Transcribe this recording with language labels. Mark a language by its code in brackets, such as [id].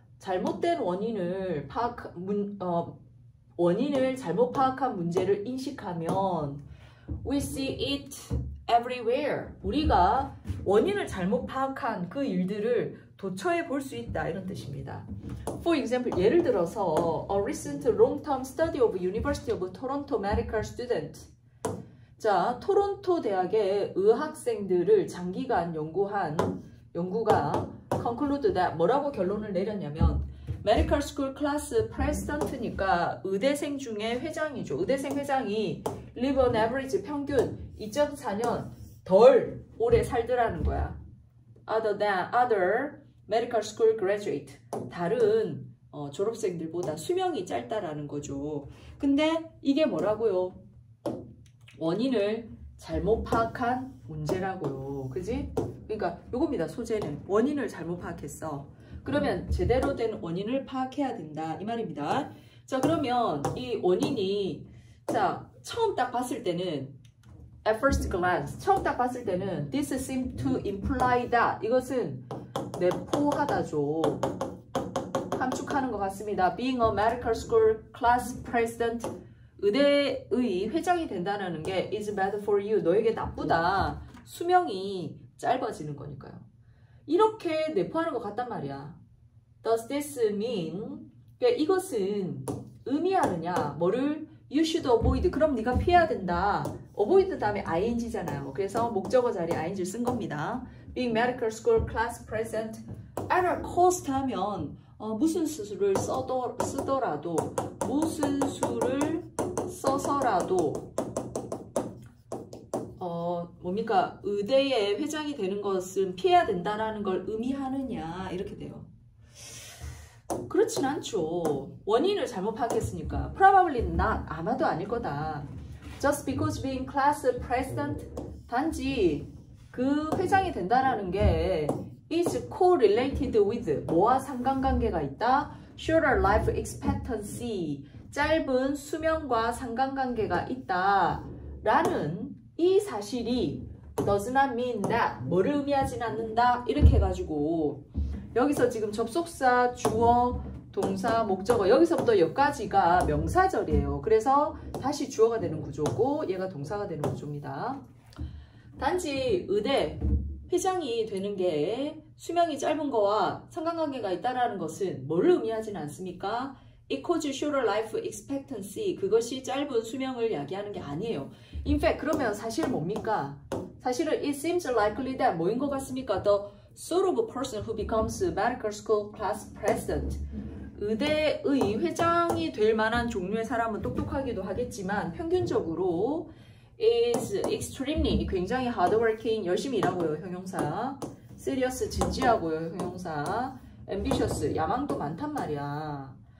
[ko] 잘못된 원인을 파악 원인을 잘못 파악한 문제를 인식하면 [en] we see it everywhere. [ko] 우리가 원인을 잘못 파악한 그 일들을 도처에 볼 수 있다 이런 뜻입니다. [en] For example, [ko] 예를 들어서 [en] a recent long-term study of University of Toronto medical student. [ko] 자, 토론토 대학의 의학생들을 장기간 연구한 연구가 [en] conclude that [ko] 뭐라고 결론을 내렸냐면 [en] medical school class president [ko] 니까 의대생 중에 회장이죠. 의대생 회장이 [en] live on average [ko] 평균 2.4년 덜 오래 살더라는 거야. [en] Other than other medical school graduate. [ko] 다른 졸업생들보다 수명이 짧다라는 거죠. 근데 이게 뭐라고요? 원인을 잘못 파악한 문제라고요. 그지? 그러니까 요겁니다. 소재는 원인을 잘못 파악했어. 그러면 제대로 된 원인을 파악해야 된다 이 말입니다. 자 그러면 이 원인이 자 처음 딱 봤을 때는 [en] at first glance [ko] 처음 딱 봤을 때는 [en] this seem to imply that [ko] 이것은 내포하다죠. 함축하는 것 같습니다. [en] being a medical school class president [ko] 의대의 회장이 된다는 게 [en] is bad for you [ko] 너에게 나쁘다. 수명이 짧아지는 거니까요. 이렇게 내포하는 것 같단 말이야. [en] Does this mean? [ko] 그러니까 이것은 의미하느냐? 뭐를? [en] You should avoid. [ko] 그럼 네가 피해야 된다. Avoid 다음에 ing잖아요. 그래서 목적어 자리에 ing 쓴 겁니다. [en] Being medical school class present at a cost [ko] 하면 무슨 수술을 쓰더라도 무슨 수술을 써서라도 뭡니까? 의대의 회장이 되는 것은 피해야 된다라는 걸 의미하느냐? 이렇게 돼요. 그렇진 않죠. 원인을 잘못 파악했으니까. [en] Probably not. [ko] 아마도 아닐 거다. [en] Just because being class president. [ko] 단지 그 회장이 된다라는 게 [en] is correlated with. [ko] 뭐와 상관관계가 있다? [en] Shorter life expectancy. [ko] 짧은 수명과 상관관계가 있다. 라는 이 사실이 [en] does not mean that. [ko] 뭐를 의미하진 않는다. 이렇게 해가지고 여기서 지금 접속사, 주어, 동사, 목적어 여기서부터 여기까지가 명사절이에요. 그래서 다시 주어가 되는 구조고 얘가 동사가 되는 구조입니다. 단지 의대 회장이 되는 게 수명이 짧은 거와 상관관계가 있다라는 것은 뭘 의미하진 않습니까? [en] It causes shorter life expectancy. [ko] 그것이 짧은 수명을 야기하는 게 아니에요. [en] In fact, [ko] 그러면 사실 뭡니까? 사실은 [en] it seems likely that [ko] 뭐인 것 같습니까? [en] The sort of person who becomes medical school class president. [ko] 의대의 회장이 될 만한 종류의 사람은 똑똑하기도 하겠지만, 평균적으로 [en] is extremely, [ko] 굉장히 hardworking, 열심히 일하고요, 형용사. serious, 진지하고요, 형용사. ambitious, 야망도 많단 말이야.